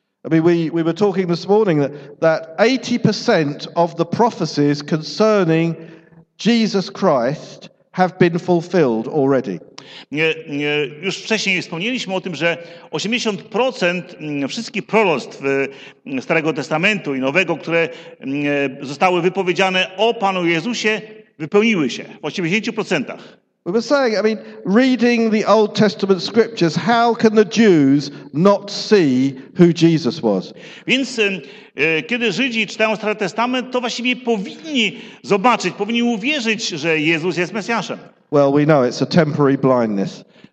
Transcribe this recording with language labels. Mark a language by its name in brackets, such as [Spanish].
[English] I mean, we were talking this morning that 80% of the prophecies concerning Jesus Christ have been fulfilled already. [Polish] Już wcześniej wspomnieliśmy o tym, że 80% wszystkich proroctw Starego Testamentu i Nowego, które zostały wypowiedziane o Panu Jezusie, wypełniły się w 80%. [English] We were saying, I mean, reading the Old Testament scriptures, how can the Jews not see who Jesus was? [Polish] Więc kiedy Żydzi czytają Stary Testament, to właściwie powinni zobaczyć, powinni uwierzyć, że Jezus jest Mesjaszem. [English] Well, we know it's a temporary blindness.